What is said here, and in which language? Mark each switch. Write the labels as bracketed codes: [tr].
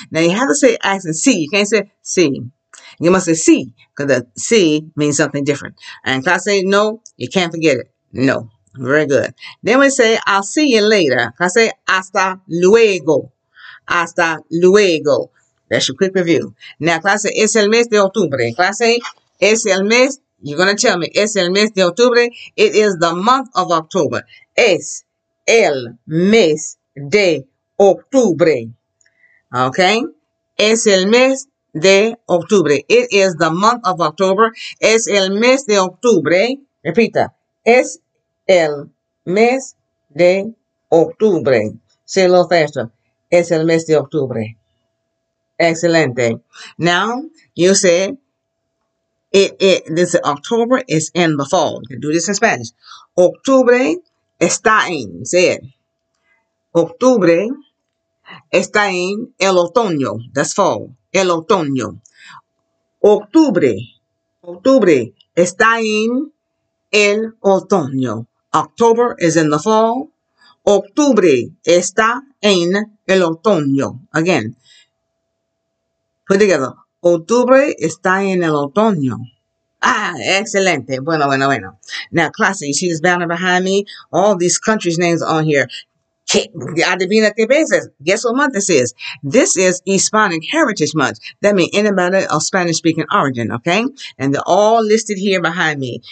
[en] Now, you have to say accent sí. You can't say sí. You must say sí, because the sí means something different. And class say no, you can't forget it. No. Very good. Then we say, I'll see you later. Class say [es] hasta luego. Hasta luego. [en] That's your quick review. [es] Now, clase, es el mes de octubre. Clase, es el mes, [en] you're going to tell me, [es] es el mes de octubre. [en] It is the month of October. [es] Es el mes de octubre. [en] Okay? [es] Es el mes de octubre. [en] It is the month of October. [es] Es el mes de octubre. Repita. Es el mes de octubre. [en] Say a little faster. [es] Es el mes de octubre. Excelente. [en] Now, you say, this is October is in the fall. You can do this in Spanish. [es] Octubre está en. [en] Say it. [es] Octubre está en el otoño. [en] That's fall. [es] El otoño. Octubre está en el otoño. [en] October is in the fall. [es] Octubre está en el otoño. [en] Again, put together. [es] Octubre está en el otoño. Ah, excelente. Bueno. [en] Now, class, you see this banner behind me? All these countries' names on here. [es] Adivina qué mes es? [en] Guess what month this is? This is Hispanic Heritage Month. That means anybody of Spanish-speaking origin, okay? And they're all listed here behind me.